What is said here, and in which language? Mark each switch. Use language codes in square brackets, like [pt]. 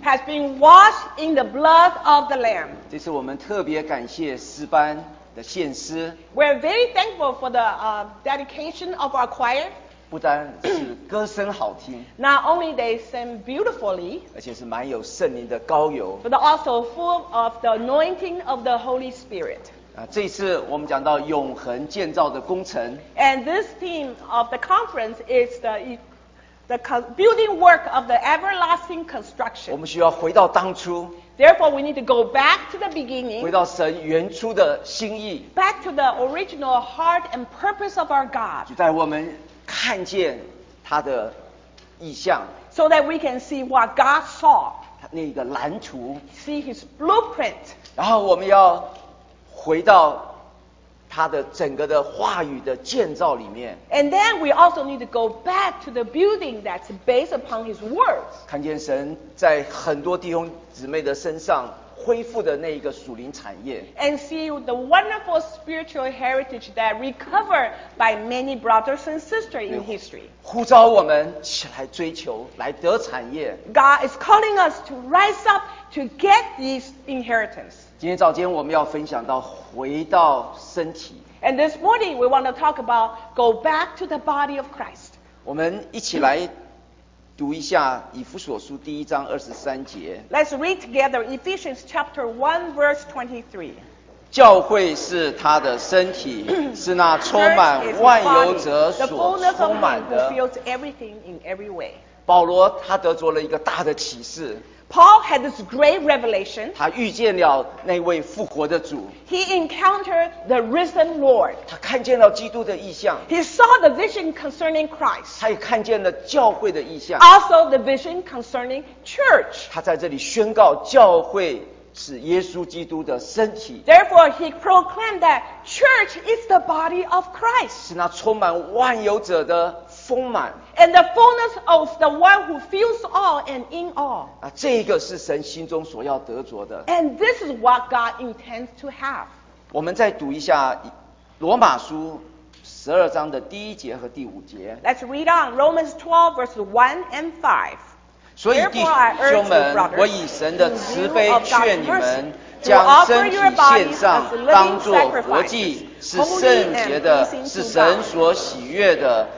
[en] Has been washed in the blood of the Lamb. [zh] 这次我们特别感谢诗班的献诗。 [en] We're very thankful for the dedication of our choir. [zh] 不单是歌声好听 [en] ，Not only they sing beautifully， [zh] 而且是满有圣灵的膏油 [en] ，but also full of the anointing of the Holy Spirit。 [zh] 啊，这次我们讲到永恒建造的工程 [en] ，and this theme of the conference is the building work of the everlasting construction。 [zh] 我们需要回到当初。 [en] Therefore, we need to go back to the beginning. [zh] 回到神原初的心意。 [en] Back to the original heart and purpose of our God. [zh] 就在我们看见他的意象。 [en] So that we can see what God saw. [zh] 那个蓝图。 [en] See his blueprint. [zh] 然后我们要回到他的整个的话语的建造里面。 [en] And then we also need to go back to the building that's based upon his words. [zh] 看见神在很多弟兄姊妹的身上恢复的那一个属灵产业。 [en] And see the wonderful spiritual heritage that recovered by many brothers and sisters in history. [zh] 呼召我们起来追求，来得产业。 [en] God is calling us to rise up to get this inheritance. [zh] 今天早间我们要分享到回到身体。 [en] And this morning we want to talk about go back to the body of Christ. [zh] 我们一起来读一下以弗所书第一章二十三节。 [en] Let's read together Ephesians chapter 1 verse 23. [zh] 教会是他的身体，是那充满万有者所充满的。 [en] The fullness of him who fills everything in every way. [zh] 保罗他得着了一个大的启示。 [en] Paul had this great revelation. [zh] 他遇见了那位复活的主。 [en] He encountered the risen Lord. [zh] 他看见了基督的意象。 [en] He saw the vision concerning Christ. [zh] 他也看见了教会的意象。 [en] Also the vision concerning church. [zh] 他在这里宣告教会是耶稣基督的身体。 [en] Therefore, he proclaimed that church is the body of Christ. [zh] 是那充满万有者的丰满。 [en] And the fullness of the one who fills all and in all. [zh] 啊，这个是神心中所要得着的。 [en] And this is what God intends to have. [zh] 我们再读一下罗马书十二章的第一节和第五节。 [en] Let's read on Romans 12 verses 1 and 5. [zh] 所以弟兄们，我以神的慈悲劝你们，将身体献上，当作活祭，是圣洁的，是神所喜悦的。